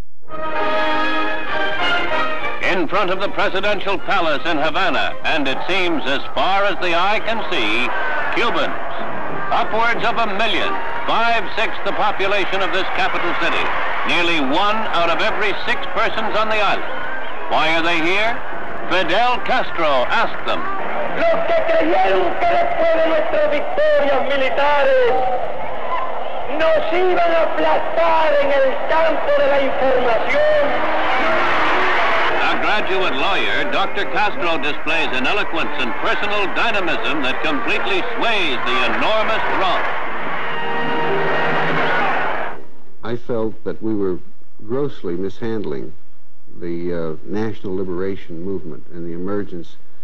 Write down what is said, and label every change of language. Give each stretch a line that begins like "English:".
English: In front of the presidential palace in Havana, and it seems as far as the eye can see, Cubans. Upwards of 1 million, 5/6 the population of this capital city. Nearly 1 out of every 6 persons on the island. Why are they here? Fidel Castro asked them.
Spanish: Los que creyeron que después de nuestras victorias militares nos iban a aplastar en el campo de la información.
English: Graduate lawyer, Dr. Castro displays an eloquence and personal dynamism that completely sways the enormous throng. I felt that we were grossly mishandling the national liberation movement and the emergence